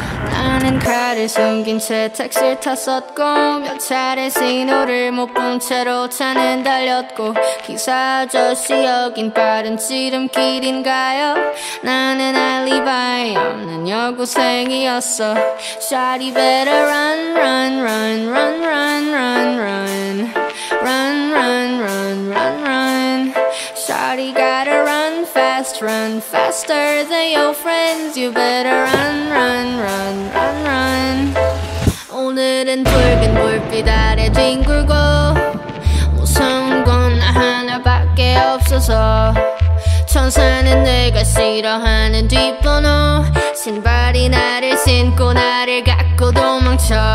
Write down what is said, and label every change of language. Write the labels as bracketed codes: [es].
[ko] 나는 칼을 숨긴 채 택시를 탔었고 몇 차례 신호를 못 본 채로 차는 달렸고 기사 아저씨 여긴 빠른 지름길인가요? 나는 알리바이 없는 여고생이었어. [en] Shawty better run, run, run, run, run, run, run, run, run, run, run, run. Shawty gotta run fast, run faster than your friends. You better run, run, run, run, run. [ko] 오늘은 붉은 불빛 아래 뒹굴고 무서운 건 나 하나밖에 없어서 천사는 내가 싫어하는 뒷번호. 신발이 나를 신고 나를 갖고 도망쳐.